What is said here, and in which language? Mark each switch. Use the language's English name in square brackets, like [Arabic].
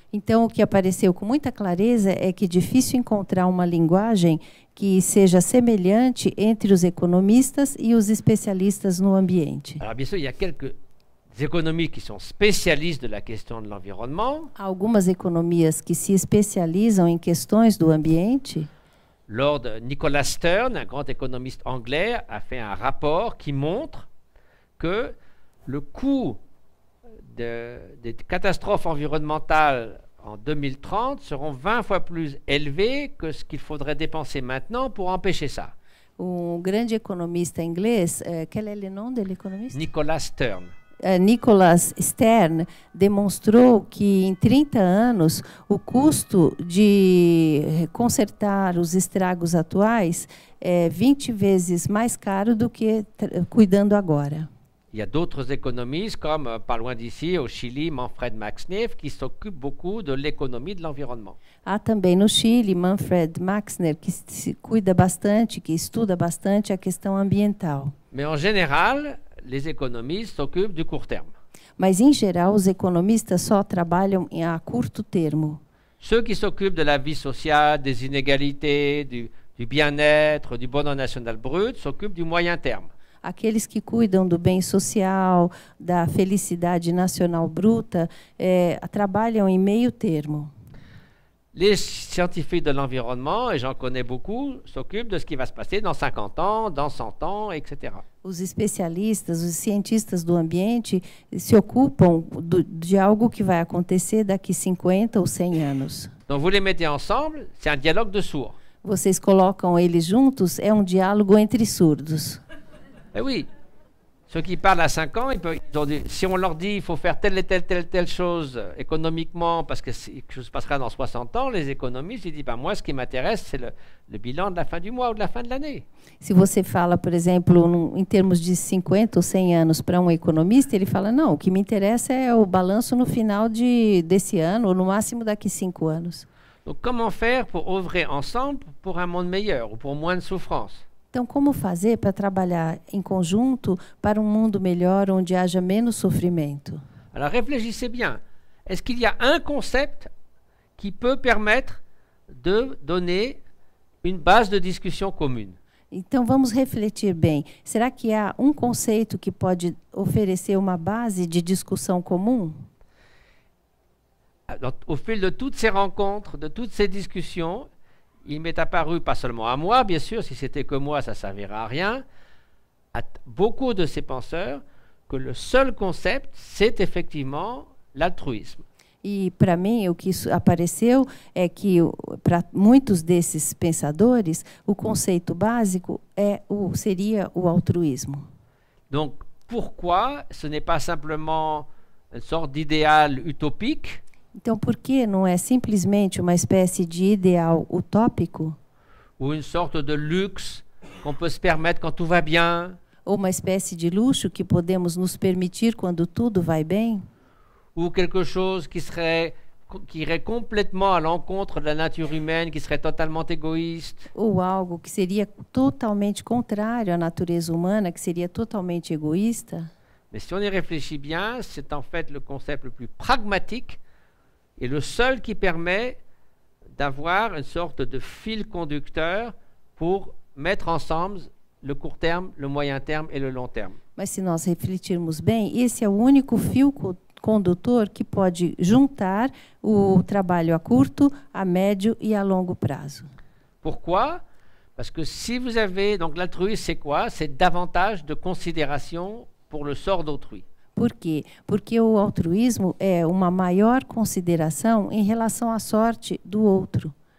[Portuguese] Então, o que apareceu com muita clareza é que é difícil encontrar uma linguagem que seja semelhante entre os economistas e os especialistas no ambiente. [French] Alors, bien sûr, il y a quelques économistes qui sont spécialistes de la question de l'environnement. [Portuguese] Há algumas economias que se especializam em questões do ambiente. [French] Lord Nicholas Stern, un grand économiste anglais, a fait un rapport qui montre que le coût des catastrophes environnementales en 2030 seront 20 fois plus élevés que ce qu'il faudrait dépenser maintenant pour empêcher ça. Un grand économiste anglais, quel est le nom de l'économiste? Nicholas Stern. [Portuguese] Nicholas Stern demonstrou que em 30 anos o custo de consertar os estragos atuais é 20 vezes mais caro do que cuidando agora. [French] Il y a d'autres économistes, comme pas loin d'ici, au Chili, Manfred Max Neff, qui s'occupe beaucoup de l'économie de l'environnement. [Portuguese] Há também no Chile Manfred Maxner, que se cuida bastante, que estuda bastante a questão ambiental. [French] Mais en général, les économistes s'occupent du court terme. [Portuguese] Mas em geral, os economistas só trabalham a curto termo. [French] Ceux qui s'occupent de la vie sociale, des inégalités, du bien-être, du bonheur national brut, s'occupent du moyen terme. [Portuguese] Aqueles que cuidam do bem social, da felicidade nacional bruta, trabalham em meio termo. [French] Les scientifiques de l'environnement, et j'en connais beaucoup, s'occupent de ce qui va se passer dans 50 ans, dans 100 ans, etc. [Portuguese] Os especialistas, os cientistas do ambiente, se ocupam de algo que vai acontecer daqui 50 ou 100 anos. [French] Donc vous les mettez ensemble, c'est un dialogue de sourds. [Portuguese] Vocês colocam eles juntos, é um diálogo entre surdos. [French] Eh oui, ceux qui parlent à 5 ans, si on leur dit qu'il faut faire telle chose économiquement parce que quelque chose passera dans 60 ans, les économistes ils disent ben moi ce qui m'intéresse c'est le bilan de la fin du mois ou de la fin de l'année. [Portuguese] Si você fala, por exemplo, em termos de 50 ou 100 anos para um economista, ele fala não, o que me interessa é o balanço no final desse ano ou no máximo daqui 5 anos. [French] Donc comment faire pour œuvrer ensemble pour un monde meilleur ou pour moins de souffrance? [Portuguese] Então, como fazer para trabalhar em conjunto para um mundo melhor, onde haja menos sofrimento? [French] Alors, réfléchissez bien. Est-ce qu'il y a un concept qui peut permettre de donner une base de discussion commune? [Portuguese] Então, vamos refletir bem. Será que há um conceito que pode oferecer uma base de discussão comum? [French] Alors, au fil de toutes ces rencontres, de toutes ces discussions, il m'est apparu, pas seulement à moi, bien sûr, si c'était que moi, ça ne servira à rien, à beaucoup de ces penseurs, que le seul concept, c'est effectivement l'altruisme. [Portuguese] E para mim, o que apareceu é que, para muitos desses pensadores, o conceito básico seria o altruísmo. [French] Donc, pourquoi ce n'est pas simplement une sorte d'idéal utopique? [Portuguese] Então, por que não é simplesmente uma espécie de ideal utópico? [French] Ou une sorte de luxe qu'on peut se permettre quand tout va bien? [Portuguese] Ou uma espécie de luxo que podemos nos permitir quando tudo vai bem? [French] Ou quelque chose qui irait complètement à l'encontre de la nature humaine, qui serait totalement égoïste? [Portuguese] Ou algo que seria totalmente contrário à natureza humana, que seria totalmente egoísta? [French] Mais si on y réfléchit bien, c'est en fait le concept le plus pragmatique. Et le seul qui permet d'avoir une sorte de fil conducteur pour mettre ensemble le court terme, le moyen terme et le long terme. [Portuguese] Mas se nós refletirmos bem, esse é o único fio condutor que pode juntar o trabalho a curto, a médio e a longo prazo. [French] Pourquoi? Parce que si vous avez, donc l'altruisme c'est quoi? C'est davantage de considération pour le sort d'autrui. [Portuguese] Por quê? Porque o altruísmo é uma maior consideração em relação à sorte do outro.